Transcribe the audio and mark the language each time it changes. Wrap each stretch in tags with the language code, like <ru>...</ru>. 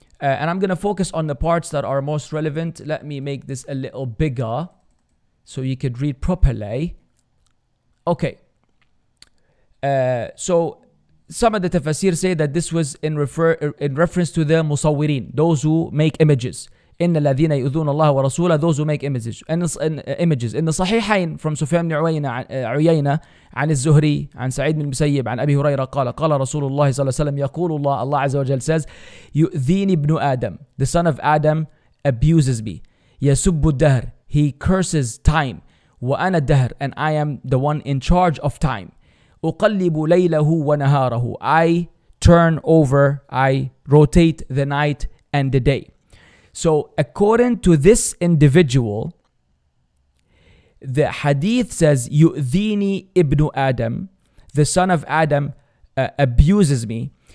<en>And I'm going to focus on the parts that are most relevant. Let me make this a little bigger so you could read properly. Okay. So some of the tafsir say that this was in reference to the musawirin, those who make images.</en> <ar>إِنَّ الَّذِينَ يُؤْذُونَ اللَّهَ وَرَسُولَهُ,</ar> <en>those who make images. In the Sahihain from Sufyan ibn Uyayna,</en> <ar>عن الزهري, عن سعيد بن المسيب, عن أبي هريرة, قال, قال رسول الله صلى الله عليه وسلم, يقول الله, Allah عز وجل says, يُؤْذِينِ ابْنُ آدَم,</ar> <en>the son of Adam abuses me.</en> <ar>يَسُبُّ الدَّهْر,</ar> <en>he curses time.</en> <ar>وَأَنَا الدَّهْر,</ar> <en>and I am the one in charge of time.</en> <ar>أُقَلِّبُ لَيْلَهُ وَنَهَارَهُ,</ar> <en>I turn over, I rotate the night and the day. So according to this individual, the hadith says,</en> <ar>يُؤْذِينِ ابْنُ آدَم,</ar> <en>the son of Adam abuses me.</en>